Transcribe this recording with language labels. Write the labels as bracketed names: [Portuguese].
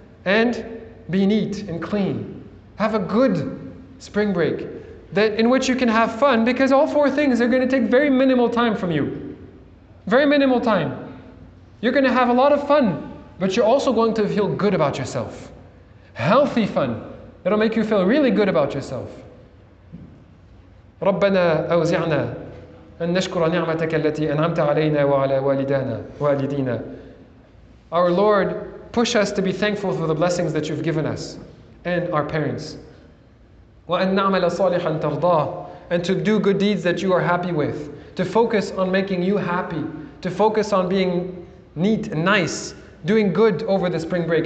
[English] And be neat and clean. Have a good spring break that in which you can have fun, because all four things are going to take very minimal time from you. Very minimal time. You're going to have a lot of fun, but you're also going to feel good about yourself. Healthy fun that'll make you feel really good about yourself. [Arabic] ربنا أوزعنا أن نشكر نعمتك التي أنعمت علينا وعلى والدينا. [English] Our Lord, push us to be thankful for the blessings that you've given us and our parents. [Arabic] وأن نعمل صالحا ترضاه, [English] and to do good deeds that you are happy with, to focus on making you happy, to focus on being neat and nice, doing good over the spring break.